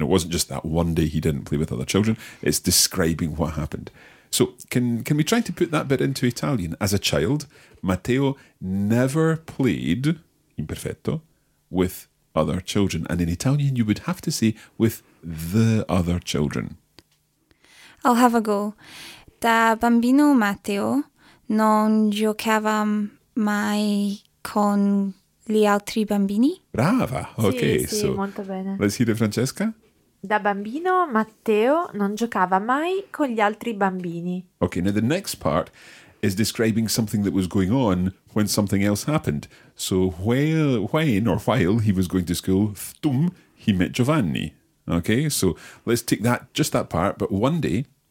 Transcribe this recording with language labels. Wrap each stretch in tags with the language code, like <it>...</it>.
<en>It wasn't just that one day he didn't play with other children. It's describing what happened. So can we try to put that bit into Italian? As a child, Matteo never played, imperfetto, with other children. And in Italian, you would have to say with the other children. I'll have a go.</en> <it>Da bambino Matteo non giocava mai con gli altri bambini. Brava, ok.</it> <en>so,</en> <it>molto bene.</it> <en>Let's hear it, Francesca.</en> <it>Da bambino Matteo non giocava mai con gli altri bambini.</it> <en>Ok, now the next part is describing something that was going on when something else happened. So while he was going to school, thtum, he met Giovanni. Okay, so let's take that, just that part, but one day...</en>